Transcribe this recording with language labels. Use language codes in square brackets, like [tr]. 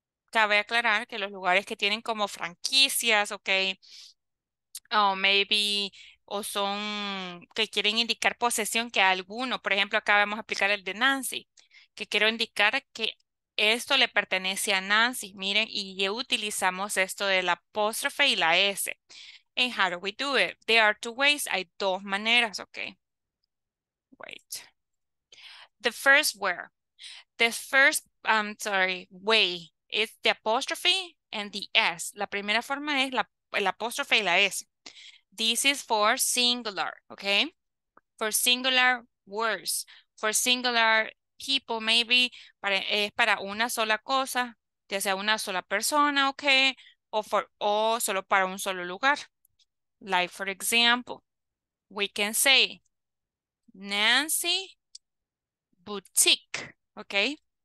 [es] cabe aclarar que los lugares que tienen como franquicias, okay, o maybe, o son, que quieren indicar posesión que alguno, por ejemplo, acá vamos a aplicar el de Nancy, que quiero indicar que esto le pertenece a Nancy, miren, y ya utilizamos esto de la apóstrofe y la S. [en] And how do we do it? There are two ways, [es] hay dos maneras, [en] okay. Wait. The first word, the first, I'm sorry, way, is the apostrophe and the S. [es] La primera forma es la, el apóstrofe y la S. [en] This is for singular, okay? For singular words, for singular people, maybe, para, [es] es para una sola cosa, ya sea una sola persona, [en] okay? O for, [es] o solo para un solo lugar. [en] Like, for example, we can say, Nancy Boutique, okay?